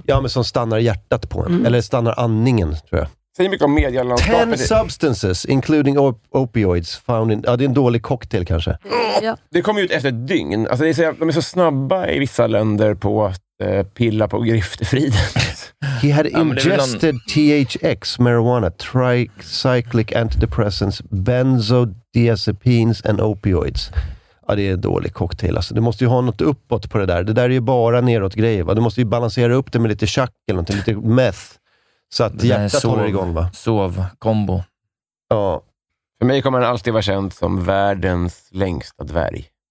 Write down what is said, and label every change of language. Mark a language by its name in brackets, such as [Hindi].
[Swedish] Ja, men som stannar hjärtat på en. Mm. Eller stannar andningen, tror jag. Säger mycket om medielandskapet. [English] 10 substances, including opioids, found in... [Swedish] Ja, det är en dålig cocktail kanske. Ja. Det kommer ut efter ett dygn. Alltså, de är så snabba i vissa länder på att pilla på griftefriden. [English] He had ingested THX, marijuana, tricyclic antidepressants, benzodiazepines and opioids. [Swedish] Ja, det är en dålig cocktail. Alltså, du måste ju ha något uppåt på det där. Det där är ju bara neråt grejer, va? Du måste ju balansera upp det med lite chack eller någonting, lite meth. Så att hjärtat håller igång, va? Sov-kombo. Ja. För mig kommer han alltid vara känd som världens längsta dvärg.